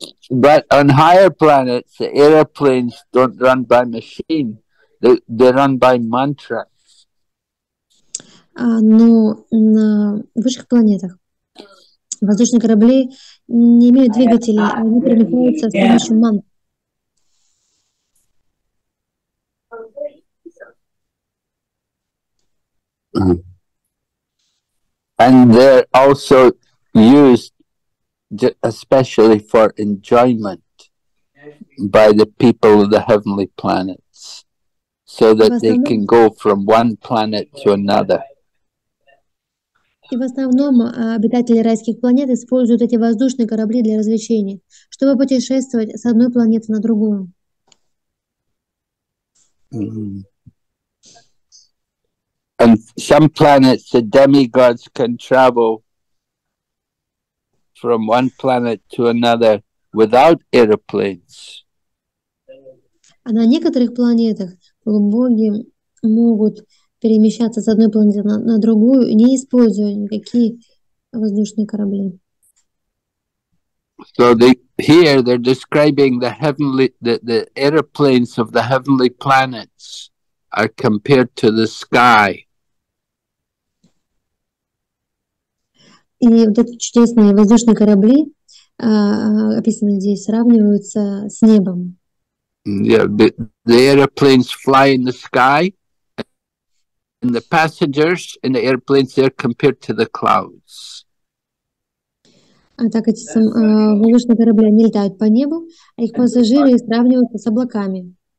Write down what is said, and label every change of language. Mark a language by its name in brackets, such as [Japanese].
[English] But on higher planets, the airplanes don't run by machine. They run by mantra. [Russian] Но на высших планетах воздушные корабли не имеют двигателей, а они перемещаются с помощью мантры. [English] And they're also used especially for enjoyment by the people of the heavenly planets, so that they can go from one planet to another. [Russian] И в основном обитатели райских планет используют эти воздушные корабли для развлечений, чтобы путешествовать с одной планеты на другую. [English] And some planets, the demigods can travel from one planet to another without airplanes. [Russian] А на некоторых планетах полубоги могут перемещаться с одной планеты на другую, не используя никакие воздушные корабли. [English] So they, here they're describing the heavenly, the airplanes of the heavenly planets are compared to the sky. [Russian] И вот эти чудесные воздушные корабли, описанные здесь, сравниваются с небом. [English] Yeah, the airplanes fly in the sky, and the passengers in the airplanes are compared to the clouds. [Russian] А так эти воздушные корабли, они летают по небу, а их пассажиры сравниваются с облаками.